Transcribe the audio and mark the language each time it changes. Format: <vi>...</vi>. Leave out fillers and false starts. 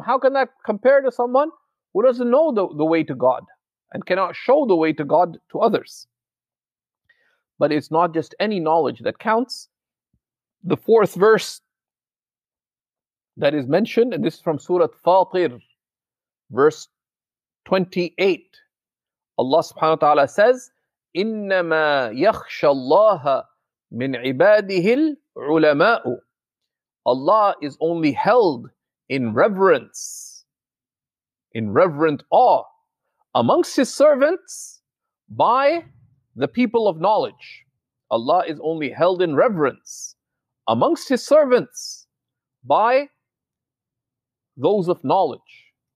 <en>How can that compare to someone who doesn't know the way to God and cannot show the way to God to others? But it's not just any knowledge that counts. The fourth verse that is mentioned, and this is from Surah Fatir, verse 28. Allah subhanahu wa ta'ala says,</en> <ar>إِنَّمَا يَخْشَ اللَّهَ مِنْ عِبَادِهِ الْعُلَمَاءُ.</ar> <en>Allah is only held in reverence, in reverent awe, amongst His servants by the people of knowledge. Allah is only held in reverence amongst His servants by those of knowledge.</en>